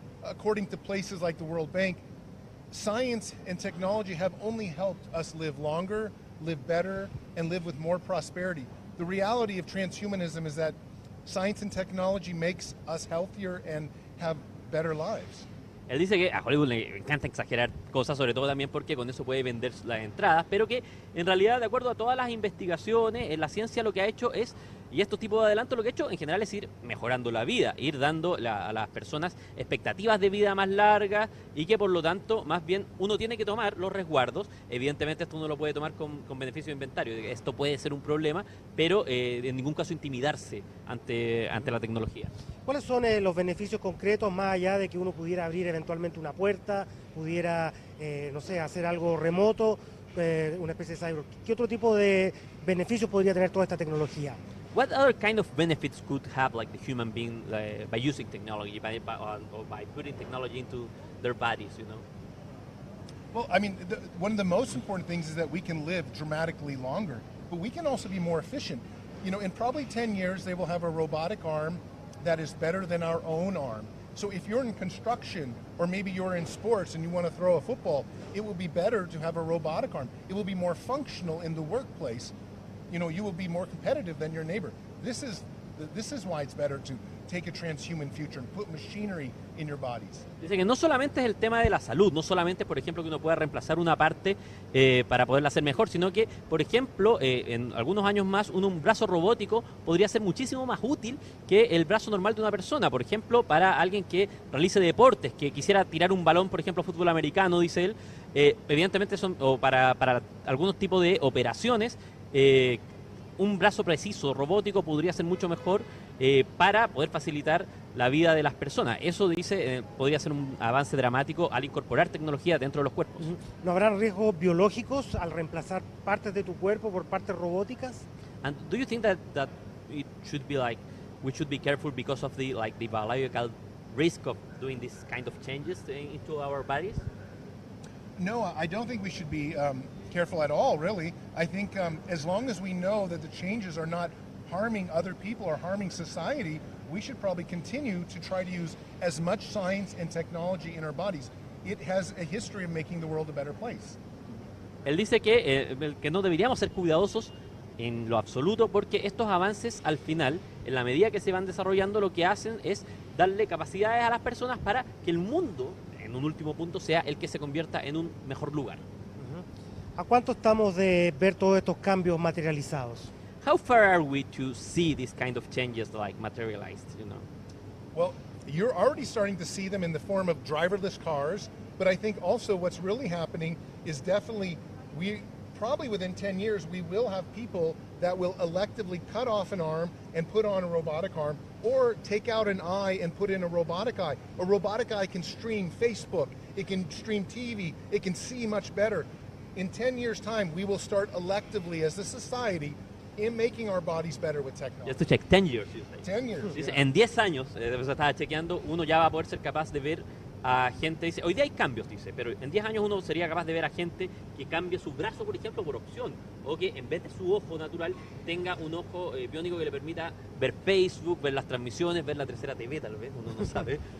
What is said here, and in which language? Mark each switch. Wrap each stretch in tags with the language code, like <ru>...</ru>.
<en>according to places like the World Bank, science and technology have only helped us live longer, live better, and live with more prosperity. The reality of transhumanism is that science and technology makes us healthier and have better lives.</en> <es>Él dice que a Hollywood le encanta exagerar cosas, sobre todo también porque con eso puede vender las entradas, pero que en realidad, de acuerdo a todas las investigaciones, en la ciencia lo que ha hecho es, y estos tipos de adelantos, lo que ha hecho en general es ir mejorando la vida, ir dando a las personas expectativas de vida más largas y que por lo tanto, más bien, uno tiene que tomar los resguardos. Evidentemente esto uno lo puede tomar con beneficio de inventario, esto puede ser un problema, pero en ningún caso intimidarse ante la tecnología. ¿Cuáles son los beneficios concretos, más allá de que uno pudiera abrir eventualmente una puerta, pudiera, hacer algo remoto, una especie de cyborg? ¿Qué otro tipo de beneficios podría tener toda esta tecnología?</es> <en>What other kind of benefits could have, like the human being, by using technology, by putting technology into their bodies, you know? Well, I mean, one of the most important things is that we can live dramatically longer, but we can also be more efficient. You know, in probably 10 years, they will have a robotic arm that is better than our own arm. So if you're in construction, or maybe you're in sports and you want to throw a football, it will be better to have a robotic arm. It will be more functional in the workplace. You know, you will be more competitive than your neighbor. This is why it's better to take a transhuman future and put machinery in your bodies.</en> <es>Dice que no solamente es el tema de la salud, no solamente, por ejemplo, que uno pueda reemplazar una parte para poderla hacer mejor, sino que, por ejemplo, en algunos años más, un brazo robótico podría ser muchísimo más útil que el brazo normal de una persona. Por ejemplo, para alguien que realice deportes, que quisiera tirar un balón, por ejemplo, fútbol americano, dice él, evidentemente son o para algunos tipos de operaciones, un brazo preciso robótico podría ser mucho mejor para poder facilitar la vida de las personas. Eso dice, podría ser un avance dramático al incorporar tecnología dentro de los cuerpos. ¿No habrá riesgos biológicos al reemplazar partes de tu cuerpo por partes robóticas?</es> <en>And do you think that it should be like we should be careful because of the biological risk of doing this kind of changes into our bodies? No, I don't think we should be careful at all, really. I think as long as we know that the changes are not harming other people or harming society, we should probably continue to try to use as much science and technology in our bodies. It has a history of making the world a better place.</en> <es>Él dice que no deberíamos ser cuidadosos en lo absoluto, porque estos avances, al final, en la medida que se van desarrollando, lo que hacen es darle capacidades a las personas para que el mundo, en un último punto, sea el que se convierta en un mejor lugar. ¿A cuánto estamos de ver todos estos cambios materializados?</es> <en>How far are we to see these kind of changes like materialized, you know? Well, you're already starting to see them in the form of driverless cars, but I think also what's really happening is definitely we probably within 10 years we will have people that will electively cut off an arm and put on a robotic arm, or take out an eye and put in a robotic eye. A robotic eye can stream Facebook, it can stream TV, it can see much better. In 10 years' time, we will start electively as a society in making our bodies better with technology. Just to check, 10 years. 10 years.</en> <es>Dice, yeah. En 10 años, estaba chequeando, uno ya va a poder ser capaz de ver a gente. Dice, hoy día hay cambios, dice, pero en 10 años uno sería capaz de ver a gente que cambie su brazo, por ejemplo, por opción. O que en vez de su ojo natural tenga un ojo biónico que le permita ver Facebook, ver las transmisiones, ver la tercera TV, tal vez, uno no sabe.</es>